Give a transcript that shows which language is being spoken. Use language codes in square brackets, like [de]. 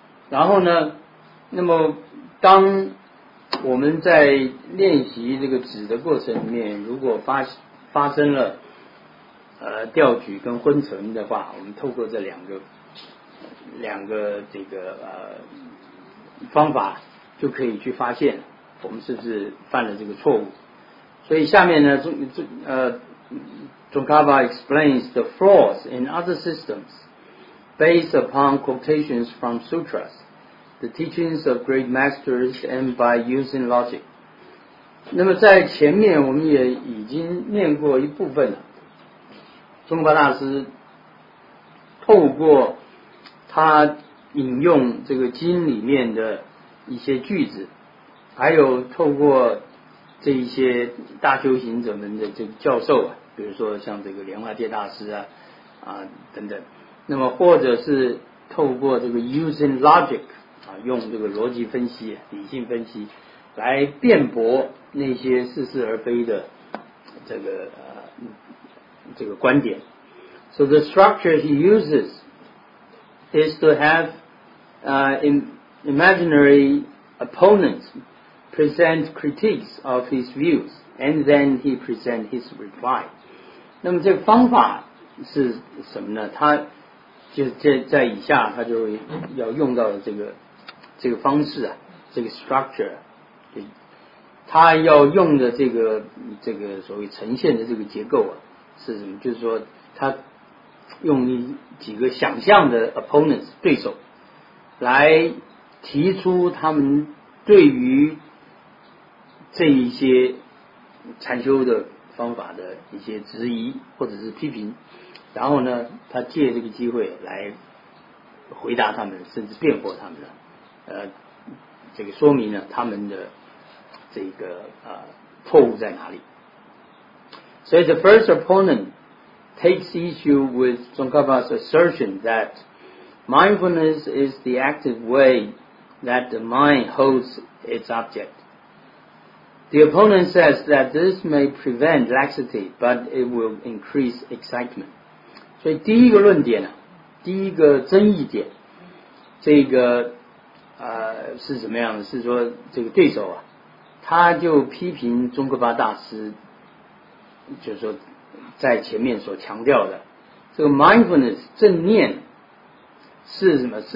[zh] 然后呢，那么当我们在练习这个止的过程里面，如果发生了调举跟昏沉的话，我们透过这两个这个方法就可以去发现我们是不是犯了这个错误。 [en] 所以下面呢，Tsongkhapa explains the flaws in other systems based upon quotations from sutras, the teachings of great masters, and by using logic. [zh] 那么在前面我们也已经念过一部分了，中巴大师透过他引用这个经里面的一些句子，还有透过这一些大修行者们的这个教授啊，比如说像这个莲花界大师等等，那么或者是透过这个 [en] using logic [zh] 啊，用这个逻辑分析、理性分析来辩驳那些似是而非的这个观点。 [en] So the structure he uses is to haveimaginary opponents present critiques of his views, and then he present his reply. [zh] 那么这个方法是什么呢？他就在以下他就要用到的这个方式啊，这个 structure 他要用的这个所谓呈现的这个结构啊，是什么？就是说他用几个想象的 opponents 对手来提出他们对于这一些禅修的方法的一些质疑或者是批评，然后呢他借这个机会来回答他们，甚至辩驳他们的这个说明呢他们的这个错误在哪里。 [en] So the first opponent takes issue with Tsongkhapa's assertion that mindfulness is the active way that the mind holds its object. The opponent says that this may prevent laxity, but it will increase excitement. [zh] 所以第一个论点啊，第一个争议点，这个是怎么样的？是说这个对手啊，他就批评宗喀巴大师，就是说在前面所强调的这个 mindfulness 正念是什么？